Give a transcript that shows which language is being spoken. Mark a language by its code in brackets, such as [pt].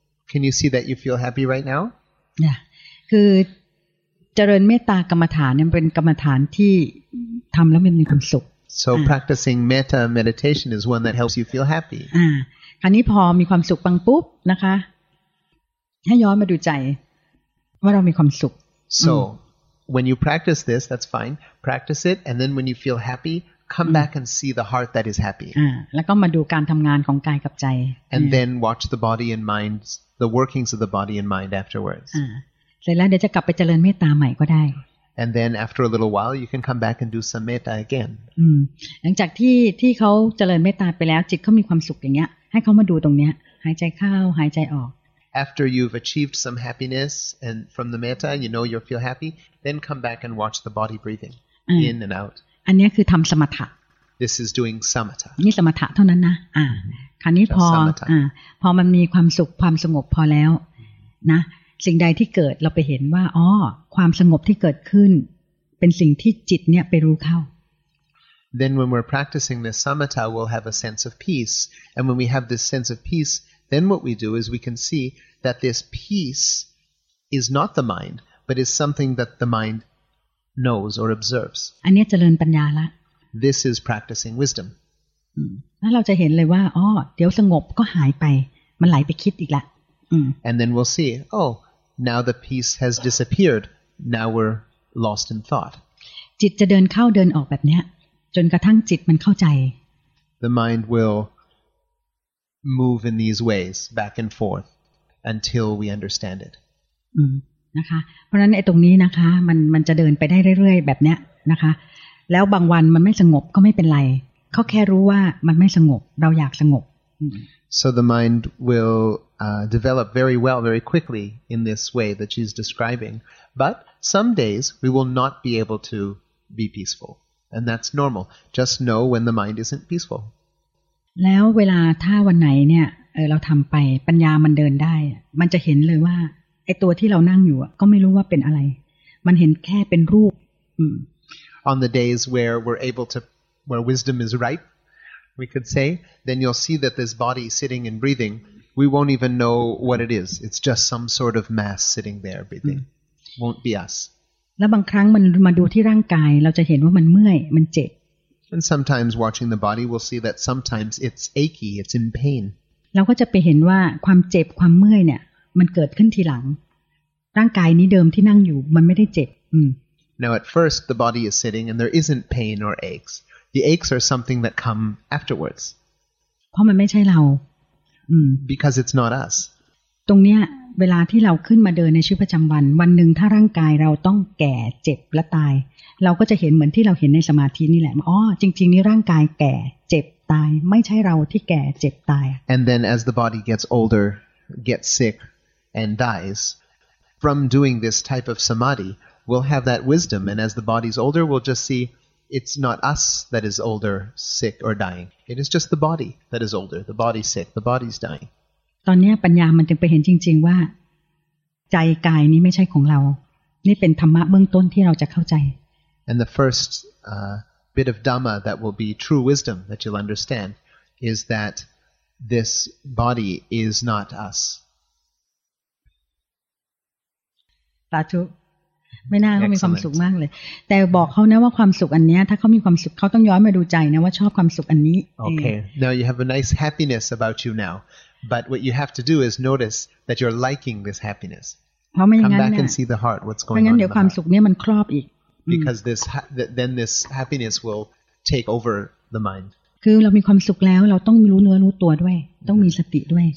[en] Can you see that you feel happy right now? Yeah. [th] คือเจริญเมตตากรรมฐานเนี่ยเป็นกรรมฐานที่ทำแล้วมันมีความสุข [en] So practicing metta meditation is one that helps you feel happy [th] คราวนี้พอมีความสุขปังปุ๊บนะคะให้ย้อนมาดูใจว่าเรามีความสุข [en] So when you practice this that's fine practice it and then when you feel happy come back and see the heart that is happy [th] แล้วก็มาดูการทำงานของกายกับใจ [en] And then watch the body and mind the workings of the body and mind afterwards [th] เสร็จแล้วเดี๋ยวจะกลับไปเจริญเมตตาใหม่ก็ได้ [en] And then after a little while you can come back and do some metta again [th] หลังจากที่เขาเจริญเมตตาไปแล้วจิตเขามีความสุขอย่างเงี้ยให้เขามาดูตรงเนี้ยหายใจเข้าหายใจออก [en] After you've achieved some happiness and from the metta you know you feel happy then come back and watch the body breathing in and out [th] อันนี้คือทำสมถะ [en] This is doing samatha [th] นี่สมถะเท่านั้นนะคราวนี้พอมันมีความสุขความสงบพอแล้วนะสิ่งใดที่เกิดเราไปเห็นว่าอ๋อความสงบที่เกิดขึ้นเป็นสิ่งที่จิตเนี่ยไปรู้เข้า [en] Then when we're practicing this samatha we'll have a sense of peace and when we have this sense of peace then what we do is we can see that this peace is not the mind but is something that the mind knows or observes. [th] อันนี้เจริญปัญญาละ [en] This is practicing wisdom. [th] แล้วเราจะเห็นเลยว่าอ๋อเดี๋ยวสงบก็หายไปมันไหลไปคิดอีกละ [en] And then we'll see. Oh, now the peace has disappeared. Now we're lost in thought. [th] จิตจะเดินเข้าเดินออกแบบเนี้ยจนกระทั่งจิตมันเข้าใจ [en] The mind will move in these ways back and forth until we understand it. [th] นะคะเพราะฉะนั้นไอ้ตรงนี้นะคะมันจะเดินไปได้เรื่อยๆแบบเนี้ยนะคะแล้วบางวันมันไม่สงบก็ไม่เป็นไรเขาแค่รู้ว่ามันไม่สงบเราอยากสงบ [en] So the mind will develop very well, very quickly in this way that she's describing. But some days we will not be able to be peaceful. And that's normal. Just know when the mind isn't peaceful. [th] แล้วเวลาถ้าวันไหนเนี่ยเราทำไปปัญญามันเดินได้มันจะเห็นเลยว่าไอ้ตัวที่เรานั่งอยู่ก็ไม่รู้ว่าเป็นอะไรมันเห็นแค่เป็นรูป [en] On the days where we're able to, where wisdom is ripe, we could say, then you'll see that this body sitting and breathing, we won't even know what it is. It's just some sort of mass sitting there breathing. Won't be us. [th] แล้วบางครั้งมันมาดูที่ร่างกายเราจะเห็นว่ามันเมื่อยมันเจ็บ [en] And sometimes watching the body, we'll see that sometimes it's achy, it's in pain. [th] เราก็จะไปเห็นว่าความเจ็บความเมื่อยเนี่ยมันเกิดขึ้นทีหลังร่างกายนี้เดิมที่นั่งอยู่มันไม่ได้เจ็บ [en] Now at first the body is sitting and there isn't pain or aches. The aches are something that come afterwards. [th] เพราะมันไม่ใช่เรา [en] Because it's not us. [th] ตรงเนี้ยเวลาที่เราขึ้นมาเดินในชีวิตประจำวันวันหนึ่งถ้าร่างกายเราต้องแก่เจ็บและตายเราก็จะเห็นเหมือนที่เราเห็นในสมาธินี่แหละอ๋อจริงๆนี่ร่างกายแก่เจ็บตายไม่ใช่เราที่แก่เจ็บตาย [en] And then as the body gets older, gets sick, and dies, from doing this type of samadhi,We'll have that wisdom, and as the body's older, we'll just see it's not us that is older, sick, or dying. It is just the body that is older, the body's sick, the body's dying. [th] ตอนนี้ปัญญามันจึงไปเห็นจริงๆว่าใจกายนี้ไม่ใช่ของเรานี่เป็นธรรมะเบื้องต้นที่เราจะเข้าใจ [en] And the first bit of Dhamma that will be true wisdom that you'll understand is that this body is not us. [th] สาธุไม่น่าเขามีความสุขมากเลยแต่บอกเขานะว่าความสุขอันนี้ถ้าเขามีความสุขเขาต้องย้อนมาดูใจนะว่าชอบความสุขอันนี้ [en] Okay now you have a nice happiness about you now but what you have to do is notice that you're liking this happiness come back and see the heart what's going on [th] เพราะงั้นเดี๋ยวความสุขเนี้ยมันครอบอีก [en] because this happiness will take over the mind [th] คือเรามีความสุขแล้วเราต้องรู้เนื้อรู้ตัวด้วยต้องมีสติด้วย